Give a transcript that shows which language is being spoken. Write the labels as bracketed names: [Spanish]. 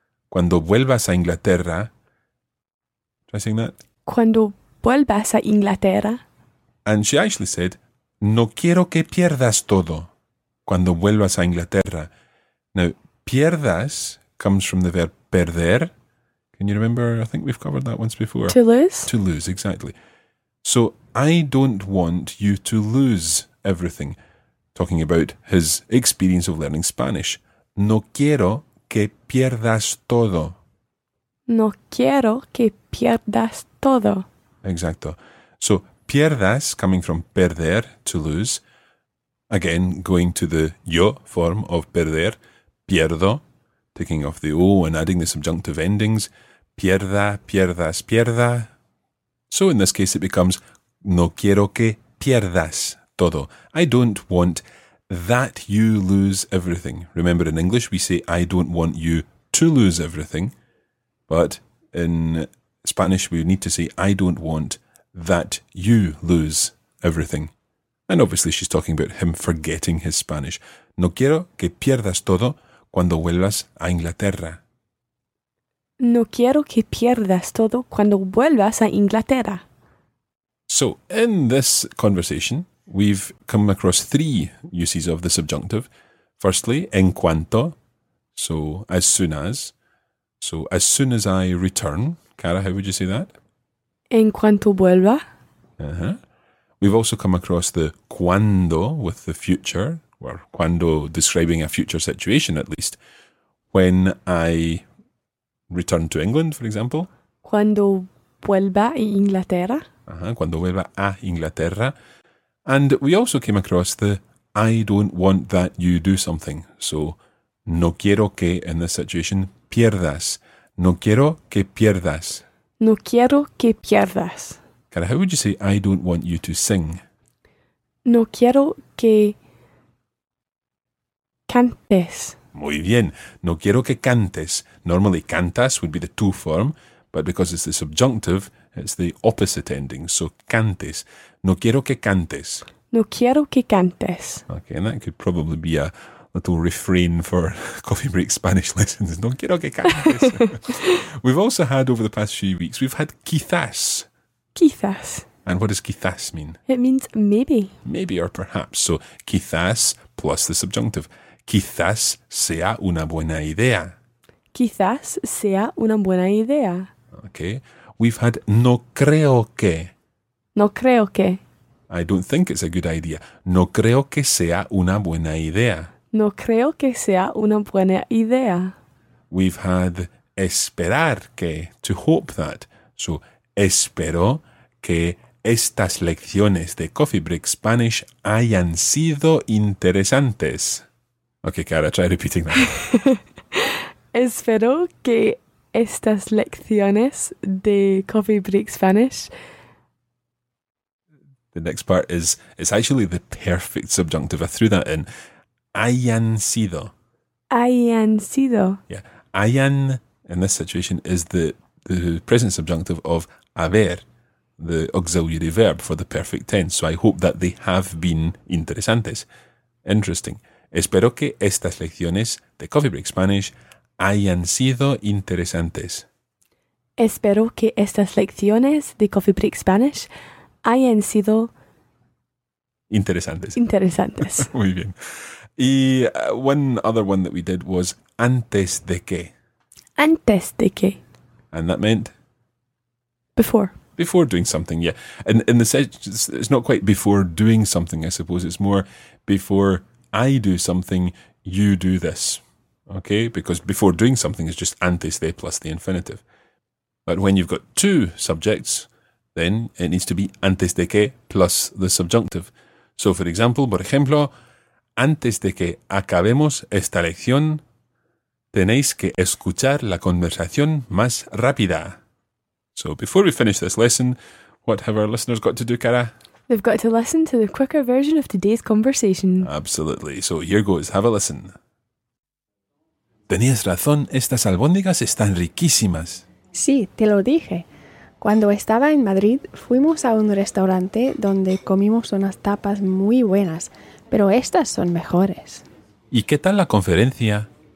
[Spanish] Cuando vuelvas a Inglaterra. [English] Try saying that. [Spanish] Cuando vuelvas a Inglaterra. [English] And she actually said, [Spanish] no quiero que pierdas todo cuando vuelvas a Inglaterra. [English] Now, pierdas comes from the verb perder. Can you remember? I think we've covered that once before. To lose. To lose, exactly. So I don't want you to lose everything. Talking about his experience of learning Spanish. [Spanish] No quiero que pierdas todo. No quiero que pierdas todo. [English] Exacto. So pierdas, coming from perder, to lose. Again, going to the yo form of perder. Pierdo, taking off the O and adding the subjunctive endings. [Spanish] Pierda, pierdas, pierda. [English] So in this case it becomes, [Spanish] no quiero que pierdas todo. [English] I don't want that you lose everything. Remember in English we say, I don't want you to lose everything. But in Spanish we need to say, I don't want that you lose everything. And obviously she's talking about him forgetting his Spanish. [Spanish] No quiero que pierdas todo. Cuando vuelvas a Inglaterra. No quiero que pierdas todo cuando vuelvas a Inglaterra. [English] So, in this conversation, we've come across three uses of the subjunctive. Firstly, en cuanto, so as soon as. So, as soon as I return. Cara, how would you say that? [Spanish] En cuanto vuelva. Uh-huh. [English] We've also come across the cuando with the future. Or cuando, describing a future situation at least. When I return to England, for example. [Spanish] Cuando vuelva a Inglaterra. Uh-huh, cuando vuelva a Inglaterra. [English] And we also came across the I don't want that you do something. So, no quiero que, in this situation, pierdas. [Spanish] No quiero que pierdas. No quiero que pierdas. [English] Cara, how would you say I don't want you to sing? [Spanish] No quiero que... Cantes. Muy bien. No quiero que cantes. [English] Normally, cantas would be the to form, but because it's the subjunctive, it's the opposite ending. [Spanish] So, cantes. No quiero que cantes. No quiero que cantes. [English] Okay, and that could probably be a little refrain for Coffee Break Spanish lessons. [Spanish] No quiero que cantes. [English] We've also had, over the past few weeks, we've had quizás. [Spanish] Quizás. [English] And what does quizás mean? It means maybe. Maybe or perhaps. So, quizás plus the subjunctive. [Spanish] Quizás sea una buena idea. Quizás sea una buena idea. [English] Okay. We've had [Spanish] no creo que. No creo que. [English] I don't think it's a good idea. [Spanish] No creo que sea una buena idea. No creo que sea una buena idea. [English] We've had esperar que, to hope that. [Spanish] So, espero que estas lecciones de Coffee Break Spanish hayan sido interesantes. [English] Okay, Cara, try repeating that. [Spanish] Espero que estas lecciones de Coffee Break Spanish... [English] The next part is, it's actually the perfect subjunctive. I threw that in. [Spanish] Hayan sido. Hayan sido. [English] Yeah. Hayan, in this situation, is the present subjunctive of haber, the auxiliary verb for the perfect tense. So I hope that they have been interesantes. Interesting. [Spanish] Espero que estas lecciones de Coffee Break Spanish hayan sido interesantes. Espero que estas lecciones de Coffee Break Spanish hayan sido... Interesantes. Interesantes. Muy bien. Y one other one that we did was antes de que. Antes de que. [English] And that meant? Before. Before doing something, yeah. And in the sense, it's not quite before doing something, I suppose. It's more before I do something, you do this. Okay? Because before doing something is just antes de plus the infinitive. But when you've got two subjects, then it needs to be antes de que plus the subjunctive. So, for example, [Spanish] por ejemplo, antes de que acabemos esta lección, tenéis que escuchar la conversación más rápida. [English] So, before we finish this lesson, what have our listeners got to do, Cara? They've got to listen to the quicker version of today's conversation. Absolutely. So, here goes. Have a listen. [Spanish] Tenías razón. Estas albóndigas están riquísimas. Sí, te lo dije. Cuando estaba en Madrid, fuimos a un restaurante donde comimos unas tapas muy buenas, pero estas son mejores. ¿Y qué tal la conferencia?